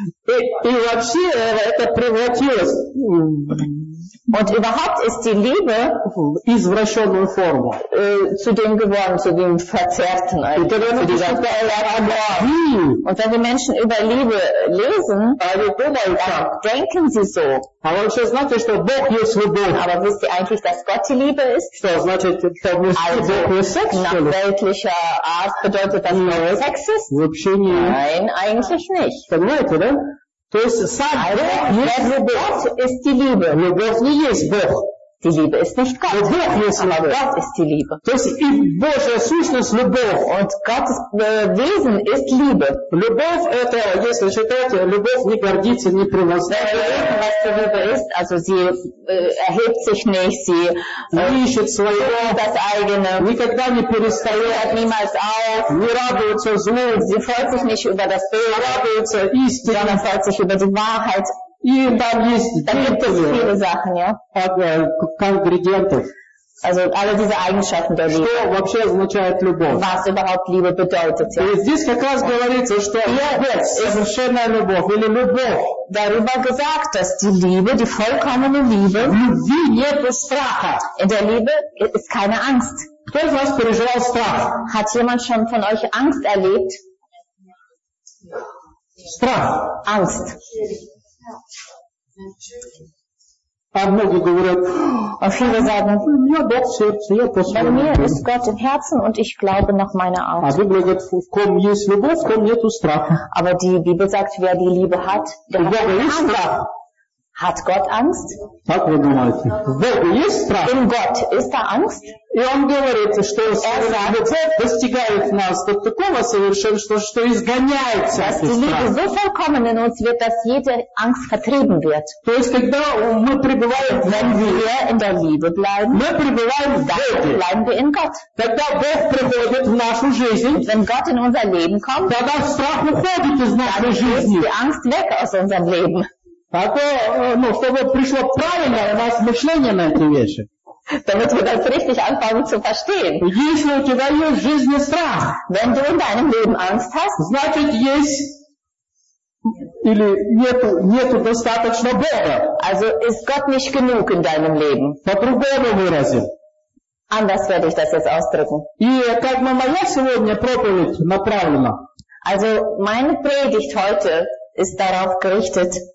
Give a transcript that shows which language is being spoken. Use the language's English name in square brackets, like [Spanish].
[Russian] И вообще это превратилось. [German] Und überhaupt ist die Liebe [Russian] в извращенную форму. [German] Zu dem geworden, zu dem verzerrten eigentlich. Und wenn die Menschen über Liebe lesen, denken sie so. Aber [Russian] что значит, что Бог есть любовь? [German] Aber wisst ihr eigentlich, dass Gott die Liebe ist? [Russian] Что значит, что Бог есть Sex? [German] Nach weltlicher Art bedeutet das nur Sex ist? [Russian] Вообще нет. [German] Nein, eigentlich nicht. [Russian] Понимаете, да? То есть сам Бог есть [German] die Liebe. [Russian] Любовь не есть Бог. [German] Die Liebe ist nicht Gott. [Russian] Но Бог есть [German] Liebe. Gott ist die Liebe. [Russian] То есть и Божья сущность любовь. [German] Und Gottes Wesen ist Liebe. [Russian] Любовь это, если считать, любовь не гордится, не превозносится. [German] Was die Liebe ist, also sie erhebt sich nicht, sie [Russian] ищет своего, [German] das eigene, [Russian] никогда не перестает, [German] hört niemals auf, [Russian] не радуется злу, [German] sie freut sich nicht über das Böse, [Russian] радуется истине, [German] sondern freut sich über die Wahrheit. [Russian] И там есть [German] viele Sachen, ja? [Russian] Конгредиентов. [German] Also alle diese Eigenschaften der Liebe. [Russian] Что вообще означает любовь? [German] Was überhaupt Liebe bedeutet, ja? [Russian] И здесь как раз говорится, что любовь, совершенная любовь или любовь. [German] Darüber gesagt, dass die Liebe, die vollkommene Liebe, wie [Russian] нет страха. [German] In der Liebe ist keine Angst. [Russian] Кто из вас переживал страх? [German] Hat jemand schon von euch Angst erlebt? [Russian] Страх. [German] Angst. [Russian] А многие говорят, [German] und viele sagen, ja, Gott, bei mir ist Gott im Herzen und ich glaube nach meiner Art. [Russian] А Библия говорит, в ком есть любовь, в ком нету страха. [German] Aber die Bibel sagt, wer die Liebe hat, der hat Angst. Hat Gott Angst? [Russian] Так вы думаете. В Боге есть страх? [German] In Gott ist da Angst? [Russian] И он говорит, что любовь достигает нас до такого совершенства, что изгоняется. [German] Dass die Liebe so vollkommen in uns wird, dass jede Angst vertrieben wird. [Russian] То есть, когда мы пребываем, [German] wenn wir in der Liebe bleiben, [Russian] мы пребываем в Боге, [German] bleiben wir in Gott. [Russian] Когда Бог приходит в нашу жизнь, [German] wenn Gott in unser Leben kommt, [Russian] тогда страх уходит из нашей жизни. [German] Die Angst weg aus unserem Leben. [Russian] А то, ну, чтобы пришло правильное у вас мышление на эти вещи. [German] Damit wir das richtig anfangen zu verstehen. [Russian] Если у тебя есть в жизни страх. [German] Wenn du in deinem Leben Angst hast. [Russian] Значит, есть или нету достаточно Бога. [German] Also ist Gott nicht genug in deinem Leben. [Russian] По-другому выразим. [German] Anders werde ich das jetzt ausdrücken. [Russian] И как моя сегодня проповедь направлена. [German] Also meine Predigt heute ist darauf gerichtet,